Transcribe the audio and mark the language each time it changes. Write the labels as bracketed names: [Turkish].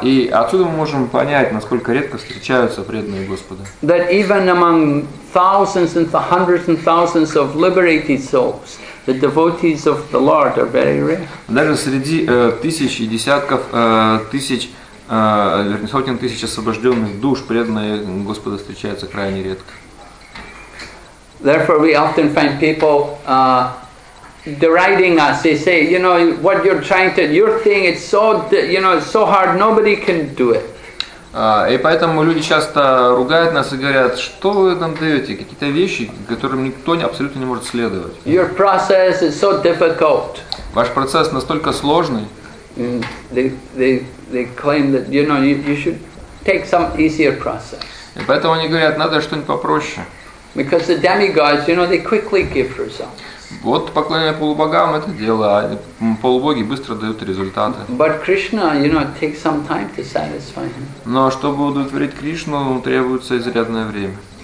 [Russian] И отсюда мы можем понять, насколько редко встречаются преданные Господа. [English] That even among thousands and hundreds and thousands of liberated souls, the devotees of the Lord are very rare. [Russian] Даже среди тысяч и десятков тысяч сотен тысяч освобожденных душ, преданные Господу, встречаются крайне редко. [English] Therefore, we often find people deriding us. They say, you know, what you're trying to, your thing, it's so, you know, it's so hard, nobody can do it. [Russian] И поэтому люди часто ругают нас и говорят, что вы там даете, какие-то вещи, которым никто абсолютно не может следовать. [English] Your process is so difficult. [Russian] Ваш процесс настолько сложный. [English] They claim that, you know, you should take some easier process. [Russian] И поэтому они говорят, надо что-нибудь попроще. [English] Because the demigods, you know, they quickly give results. [Russian] Вот поклонение полубогам это дело, а полубоги быстро дают результаты. [English] But Krishna, you know, it takes some time to satisfy him. [Russian] Но чтобы удовлетворить Кришну, требуется изрядное время.